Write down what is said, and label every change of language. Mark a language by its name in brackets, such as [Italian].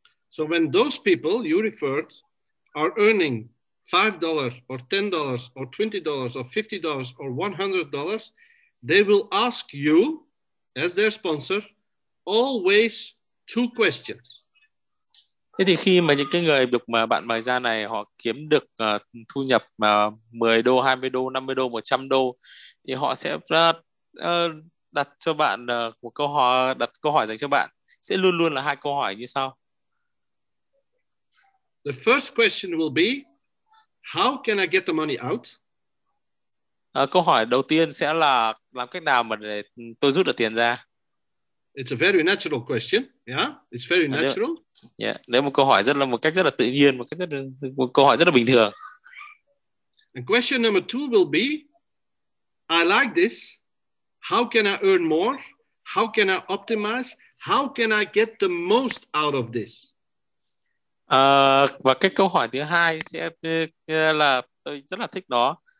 [English] So when those people you referred are earning $5 or $10 or $20 or $50 or $100, they will ask you as their sponsor always two questions. [Vietnamese] Thế thì khi mà những cái người được mà bạn mời ra này, họ kiếm được thu nhập mà $10, $20, $50, $100, thì họ sẽ đặt cho bạn một câu hỏi, đặt câu hỏi dành cho bạn sẽ luôn luôn là hai câu hỏi như sau. [English] The first question will be, how can I get the money out? [Vietnamese] Câu hỏi đầu tiên sẽ là làm cách nào mà để tôi rút được tiền ra. [English] It's a very natural question, yeah. It's very natural. [Vietnamese] Yeah, đấy một câu hỏi rất là một cách rất là tự nhiên, một câu hỏi rất là bình thường. [English] And question number two will be, I like this. How can I earn more? How can I optimize? How can I get the most out of this? [Vietnamese] Và cái câu hỏi thứ hai sẽ là tôi rất là thích nó.